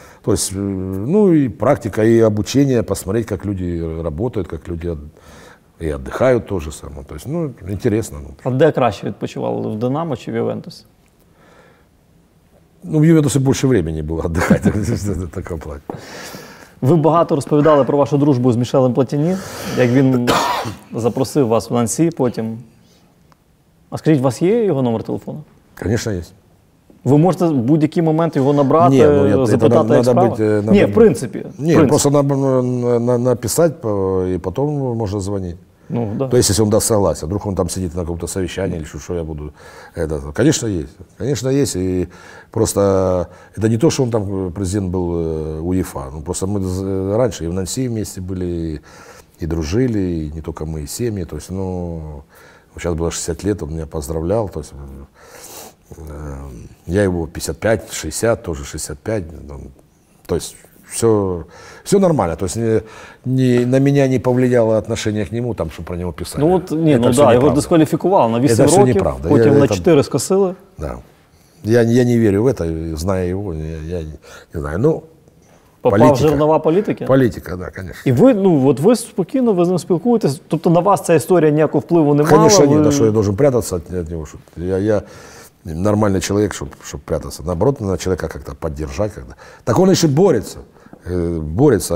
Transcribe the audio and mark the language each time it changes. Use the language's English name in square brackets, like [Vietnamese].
[Russian] То есть, ну, и практика, и обучение, посмотреть, как люди работают, как люди и отдыхают, то же самое. То есть, ну, интересно. Ну. А где [Ukrainian] краще відпочивал, в Динамо чи в Ювентусе? [Russian] Ну, в Ювентусе больше времени было отдыхать, в таком плане. [Ukrainian] Ви багато розповідали про вашу дружбу з Мішелем Платіні, як він запросив вас в Нансі потім. А скажіть, у вас є його номер телефону? Звісно, є. Ви можете в будь-який момент його набрати, ні, ну, запитати, як справа? Бути, ні, в принципі. Ні, просто написати і потім можна дзвонити. Ну, да. [Russian] То есть, если он даст согласие, вдруг он там сидит на каком-то совещании или что я буду. Это, конечно, есть. И просто это не то, что он там президент был УЕФА. Ну, просто мы раньше и в Нанси вместе были, и дружили, и не только мы, и семьи. То есть, ну, сейчас было 60 лет, он меня поздравлял. То есть, я его 55-60, тоже 65. Ну, то есть, Все нормально, то есть на меня не повлияло отношение к нему, там, чтобы про него писали. Ну вот, не, это ну да, его дисквалифицировал на 8 это [Ukrainian] років, [Russian] неправда. Потом на 4 скосили. Да. Я не верю в это, зная его, я не знаю, ну, попав политика. [Ukrainian] В жернова політики? Політика, [Russian] да, конечно. [Ukrainian] І ви, ну, от ви спокійно, ви з ним спілкуєтесь, тобто на вас ця історія ніякого впливу не мала? [Russian] Конечно, ви... нет, да, что я должен прятаться от него, что я... нормальный человек, чтобы прятаться. Наоборот, надо человека как-то поддержать. Как-то. Так он еще борется. Борется.